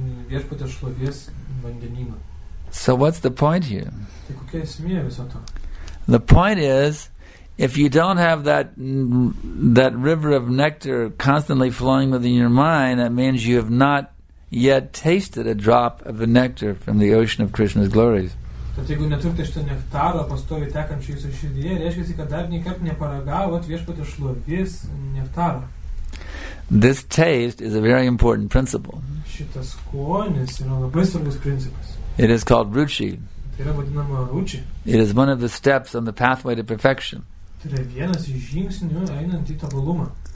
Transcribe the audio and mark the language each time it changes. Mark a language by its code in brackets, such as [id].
[en] So what's the point here? The point is, if you don't have that river of nectar constantly flowing within your mind, that means you have not yet tasted a drop of the nectar from the ocean of Krishna's glories. [lt] Tad jeigu neturite šito nektaro pastovi tekančio jūsų širdyje, reiškia, kad dar niekart neparagavot viešpatį šlovės nektaro. [en] This taste is a very important principle. [lt] Šitas skonis yra labai svarbus principas. [en] It is called ruchi. [lt] Tai yra vadinama ruchi. [en] It is one of the steps on the pathway to perfection. [lt] Tai yra vienas iš žingsnių einant į tobulumą.